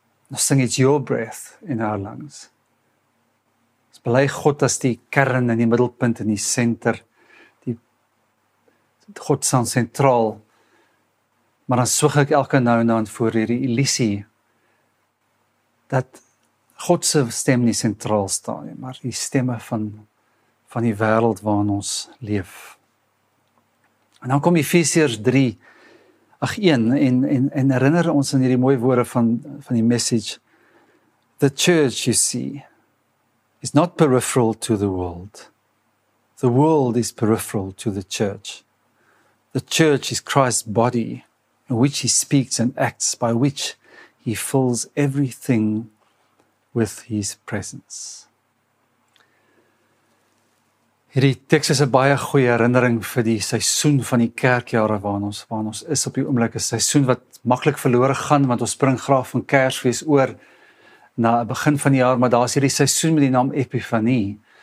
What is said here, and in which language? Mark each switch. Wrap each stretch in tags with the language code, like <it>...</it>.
<af>Ons sing</af> <en>it's your breath in our lungs.</en> <af>Ons bely God as die kern en die middelpunt en die senter, die God se sentraal. Maar dan swig ek elke nou en dan voor hierdie illusie dat God se stem nie sentraal staan nie, maar die stemme van die wêreld waarin ons leef. En dan kom Efesiërs 3. 1 en herinner ons aan hierdie mooie woorde van die message.</af> <en>The church, you see, is not peripheral to the world. The world is peripheral to the church. The church is Christ's body in which he speaks and acts, by which he fills everything with his presence.</en> <af>Hierdie teks is 'n baie goeie herinnering vir die seisoen van die kerkjare waarin ons is op die oomblik. 'N seisoen wat maklik verlore gaan, want ons spring graag van Kersfees oor na 'n begin van die jaar, maar daar is hierdie seisoen met die naam Epifanie.</af>